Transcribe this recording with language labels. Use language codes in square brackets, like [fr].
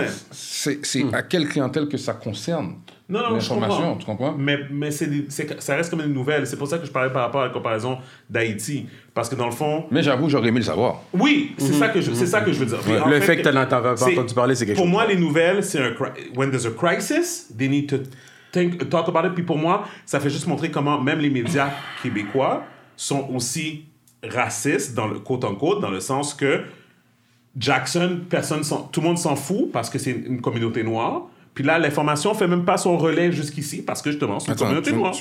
[fr] C'est à quelle clientèle que ça concerne l'information, tu comprends? Mais ça reste comme une nouvelle. C'est pour ça que je parlais par rapport à la comparaison d'Haïti. Parce que dans le fond... Mais j'avoue, j'aurais aimé le savoir. Oui, c'est ça que je veux dire. Ouais. Le fait que tu n'en avais pas entendu parler, c'est quelque chose. Pour moi, les nouvelles, c'est un... [en] When there's a crisis, they need to talk about it. [fr] Puis pour moi, ça fait juste montrer comment même les médias québécois sont aussi racistes, dans le quote-unquote, dans le sens que Jackson, tout le monde s'en fout parce que c'est une communauté noire. Puis là, l'information ne fait même pas son relais jusqu'ici parce que justement, c'est une communauté noire.